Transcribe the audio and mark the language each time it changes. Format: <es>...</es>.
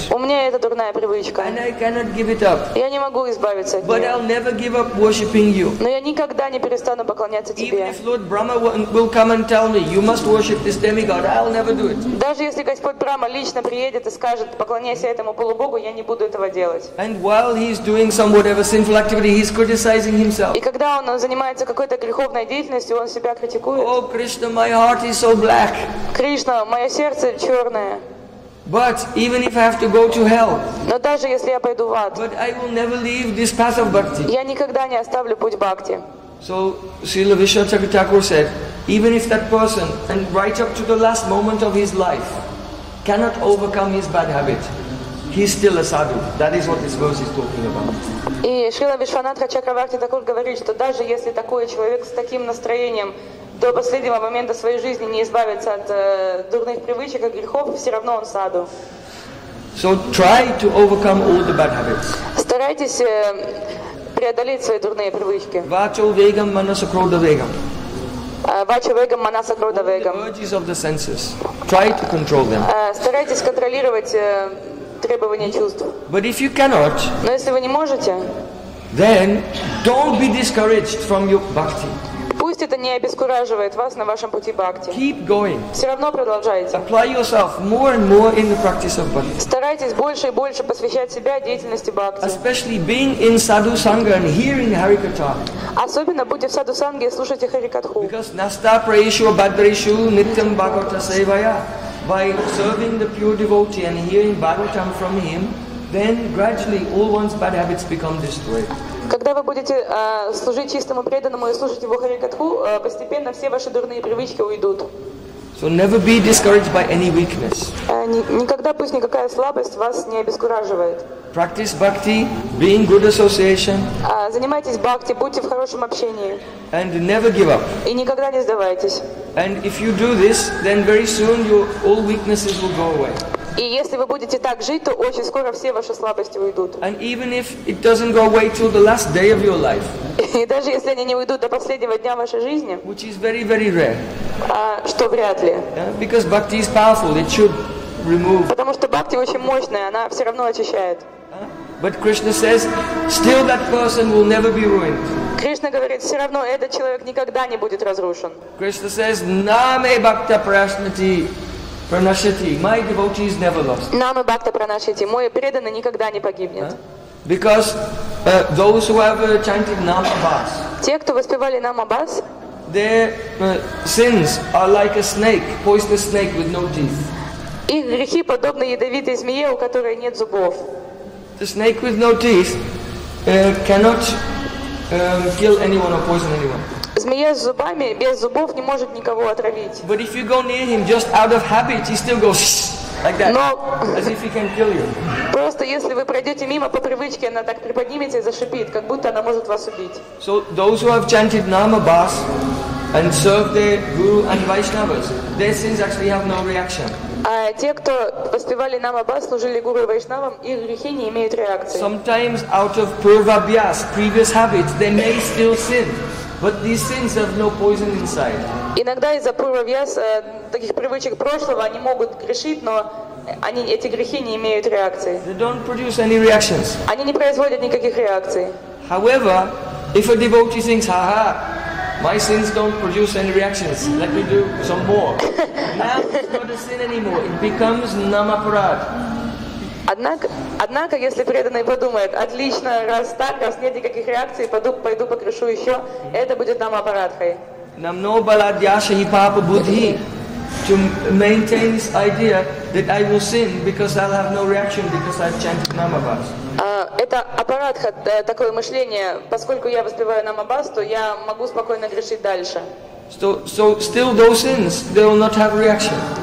<ru>У меня это дурная привычка.</ru> <en>And I cannot give it up.</en> <ru>Я не могу избавиться от нее.</ru> <en>But I'll never give up worshiping you.</en> <ru>Но я никогда не перестану поклоняться тебе.</ru> <en>Even if Lord Brahma will come and tell me, you must worship this demigod, I'll never do it.</en> <ru>Даже если Господь Брама лично приедет и скажет, поклоняйся этому полубогу, я не буду этого делать.</ru> <en>And while he's doing some whatever sinful activity, he's criticizing himself.</en> <ru>И когда он занимается какой-то греховной деятельностью, он себя критикует.</ru> <en>Oh, Krishna, my heart is so black.</en> <ru>Кришна, мое сердце черное.</ru> <en>But even if I have to go to hell,</en> <ru>но даже если я пойду в ад,</ru> <en>but I will never leave this path of bhakti.</en> <ru>Я никогда не оставлю путь бхакти.</ru> <en>So Srila Vishwanath Thakur said, even if that person, and right up to the last moment of his life, cannot overcome his bad habit, he's still a sadhu. That is what this verse is talking about.</en> <ru>И Шрила Вишванатха Чакраварти Такур говорит, что даже если такой человек с таким настроением до последнего момента своей жизни не избавится от дурных привычек и грехов, все равно он саду.</ru> <en>So try to overcome all the bad habits.</en> <ru>Старайтесь преодолеть свои дурные привычки.</ru> <sa>Vacho vegam manasa krodha vegam. Vacho vegam manasa krodha vegam.</sa> <en>All the urges of the senses. Try to control them.</en> <ru>Старайтесь контролировать требования чувств.</ru> <en>But if you cannot,</en> <ru>но если вы не можете,</ru> <en>then don't be discouraged from your bhakti.</en> <ru>Пусть это не обескураживает вас на вашем пути бхакти.</ru> <en>Keep going.</en> <ru>Все равно продолжайте.</ru> <en>Apply yourself more and more in the practice of bhakti.</en> <ru>Старайтесь больше и больше посвящать себя деятельности бхакти.</ru> <en>Especially being in sadhu sangha and hearing harikatha.</en> <ru>Особенно будьте в саду санге и слушайте харикатху.</ru> <en>Because</en> <sa>nasta prayeshu bhadreshu nityam bhagavata sevaya.</sa> <en>By serving the pure devotee and hearing bhagavatam from him, then gradually all one's bad habits become destroyed.</en> <ru>Когда вы будете служить чистому преданному и слушать его харикатху, постепенно все ваши дурные привычки уйдут.</ru> <en>So never be discouraged by any weakness.</en> <ru>Никогда пусть никакая слабость вас не обескураживает.</ru> <en>Practice bhakti, be in good association.</en> <ru>Занимайтесь бхакти, будьте в хорошем общении.</ru> <en>And never give up.</en> <ru>И никогда не сдавайтесь.</ru> <en>And if you do this, then very soon all weaknesses will go away.</en> <ru>И если вы будете так жить, то очень скоро все ваши слабости уйдут.</ru> <en>And even if it doesn't go away till the last day of your life.</en> <ru>И даже если они не уйдут до последнего дня вашей жизни.</ru> <en>Which is very, very rare.</en> <ru>Что вряд ли.</ru> <en>Because bhakti is powerful, it should remove.</en> <ru>Потому что бхакти очень мощная, она все равно очищает.</ru> <en>But Krishna says, still that person will never be ruined.</en> <ru>Кришна говорит, все равно этот человек никогда не будет разрушен.</ru> <en>Krishna says,</en> <sa>name bhakta prashnati. Pranashati,</sa> <en>my devotee is never lost.</en> <sa>Нама бхакта пранашати,</sa> <ru>мой преданный никогда не погибнет.</ru> <en>Because those who have chanted Namabhas,</en> <ru>те, кто воспевали Намабхас,</ru> <en>their sins are like a snake, poisonous snake with no teeth.</en> <ru>Их грехи подобны ядовитой змее, у которой нет зубов.</ru> <en>The snake with no teeth cannot kill anyone or poison anyone.</en> <ru>Змея с зубами, без зубов, не может никого отравить.</ru> <en>But if you go near him just out of habit, he still goes like that, as if he can kill you.</en> <ru>Просто если вы пройдете мимо по привычке, она так приподнимется и зашипит, как будто она может вас убить.</ru> <en>So those who have chanted Namabhas and served their guru and Vaishnavas, their sins actually have no reaction.</en> <ru>А те, кто воспевали Намабхас, служили гуру и вайшнавам, их грехи не имеют реакции.</ru> <en>Sometimes out of purva abhyas, previous habits, they may still sin. But these things have no poison inside.</en> <ru>Иногда из-за пурва вьяс таких привычек прошлого они могут грешить, но они эти грехи не имеют реакции.</ru> <en>They don't produce any reactions.</en> <ru>Они не производят никаких реакций.</ru> <en>However, if a devotee thinks, "Ha-ha, my sins don't produce any reactions. Let me do some more." Now it's not a sin anymore. It becomes namaparad.</en> <ru>Однако, если преданный подумает, отлично, раз так, раз нет никаких реакций, пойду покрешу еще, это будет намапарадхой.</ru> <sa>Намно баладьяша и папа будхи.</sa> <en>To maintain this idea that I will sin because I'll have no reaction because I've chanted namabhas.</en> <ru>Это апарадха, такое мышление, поскольку я воспеваю намабас, то я могу спокойно грешить дальше.</ru> <en>So still those sins, they will not have reaction.</en>